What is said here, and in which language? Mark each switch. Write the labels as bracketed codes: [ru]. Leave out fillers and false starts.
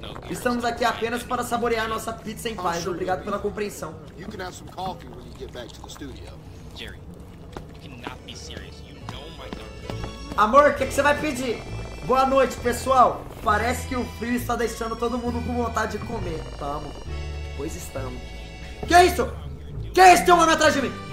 [pt] Estamos aqui apenas para saborear nossa pizza em paz. Obrigado pela compreensão. [en] You can have some coffee when you get back to the studio. Jerry, you cannot be serious. You know my number. [pt] Amor, o que você vai pedir? Boa noite, pessoal. Parece que o frio está deixando todo mundo com vontade de comer. Tamo. Pois estamos. Que isso? Que isso? Tem um homem atrás de mim.